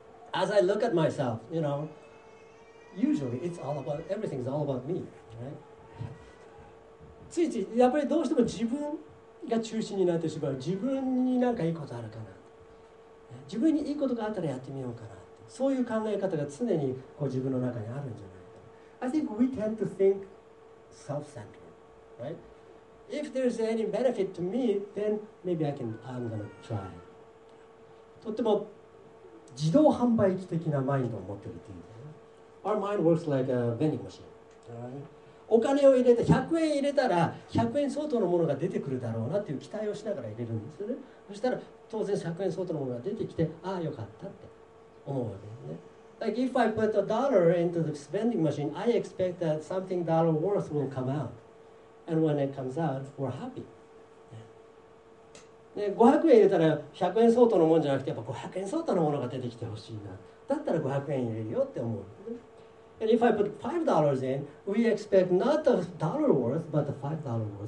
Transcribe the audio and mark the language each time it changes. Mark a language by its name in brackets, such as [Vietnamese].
[English] As I look at myself, you know, usually it's all about, everything's all about me, right? [Japanese] ついついやっぱりどうしても自分が中心になってしまう。自分に何かいいことあるかな。自分にいいことがあったらやってみようかな。そういう考え方が常にこう自分の中にあるんじゃないか。 [English] I think we tend to think self-centered, right? If there's any benefit to me, then maybe I'm gonna try. [Japanese] とても自動販売機的なマインドを持っているというか、 [English] Our mind works like a vending machine. [Japanese] お金を入れて、100円入れたら100円相当のものが出てくるだろうなという期待をしながら入れるんですよね。そしたら当然100円相当のものが出てきて、ああよかったって思うわけですね。 [English] Like if I put a dollar into the vending machine, I expect that something dollar worth will come out. And when it comes out, we're happy. [Japanese] で500円入れたら100円相当のものじゃなくてやっぱ500円相当のものが出てきてほしいな。だったら500円入れるよって思う。 [English] And if I put $5 in, we expect not the dollar worth, but the $5 worth things comes out.